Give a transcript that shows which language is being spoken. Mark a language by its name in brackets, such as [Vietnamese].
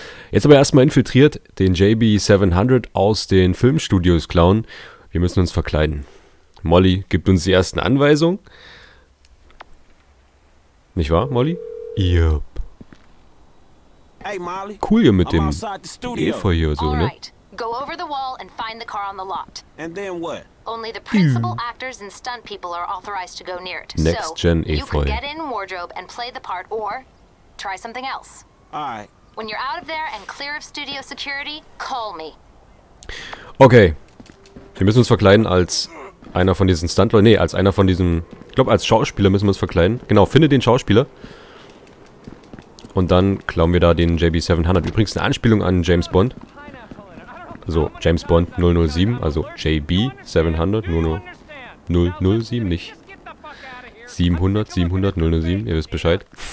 [German] Jetzt aber erstmal infiltriert den JB700 aus den Filmstudios klauen. Wir müssen uns verkleiden. Molly gibt uns die ersten Anweisungen. Nicht wahr, Molly? [English] Yep. Hey, Molly. [German] Cool hier mit dem Efeu hier so, ne? [English] Go over the wall and find the car on the lot. And then what? Only the principal actors and stunt people are authorized to go near it. Next gen [German] Efeu. [English] You can get in wardrobe and play the part or try something else. Alright. When you're out of there and clear of studio security, call me. Okay. [German] Wir müssen uns verkleiden als einer von diesen Stuntleuten. Nee, als einer von diesen. Ich glaube, als Schauspieler müssen wir uns verkleiden. Genau, finde den Schauspieler. Und dann klauen wir da den JB700. Übrigens eine Anspielung an James Bond. So, James Bond 007, also JB700, nur 007, nicht 700, 007, ihr wisst Bescheid.